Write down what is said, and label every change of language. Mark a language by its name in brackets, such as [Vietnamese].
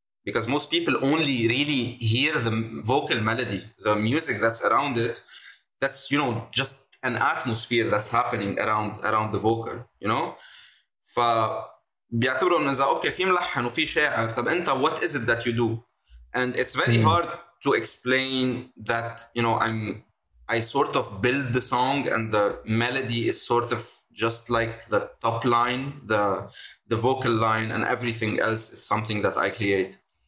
[English] Because most people only really hear the vocal melody, the music that's around it, that's, you know, just an atmosphere that's happening around the vocal, you know? [Arabic] فبيعتبروا ان اذا اوكي في ملحن وفي شاعر, طب انت [English] what is it that you do? And it's very hard to explain that, you know, I sort of build the song and the melody is sort of just like the top line, the vocal line, and everything else is something that I create.